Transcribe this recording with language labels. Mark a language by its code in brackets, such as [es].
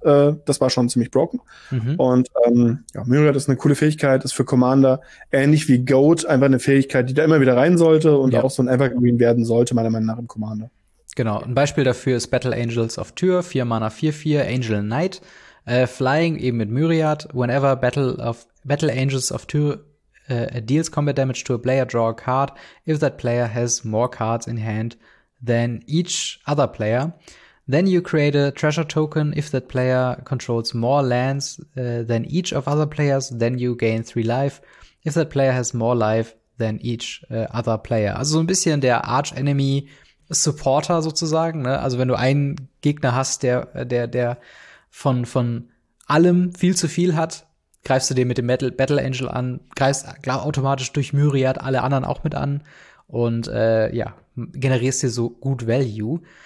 [de] Das war schon ziemlich broken. Und ja, Myriad ist eine coole Fähigkeit, ist für Commander ähnlich wie Goat, einfach eine Fähigkeit, die da immer wieder rein sollte und auch Ja. so ein Evergreen werden sollte, meiner Meinung nach im Commander. Genau. Ein Beispiel dafür ist Battle Angels of Tyr, 4 Mana 4/4, Angel Knight. Flying eben mit Myriad. [en] Whenever Battle Angels of Tyr deals combat damage to a player, draw a card. If that player has more cards in hand than each other player, then you create a treasure token. If that player controls more lands than each of other players, then you gain 3 life. If that player has more life than each other player. [de] Also so ein bisschen der Arch-Enemy Supporter sozusagen, ne? Also wenn du einen Gegner hast, der von allem viel zu viel hat, greifst du den mit dem Battle Angel an, greifst automatisch durch Myriad alle anderen auch mit an und ja, generierst dir so gut Value.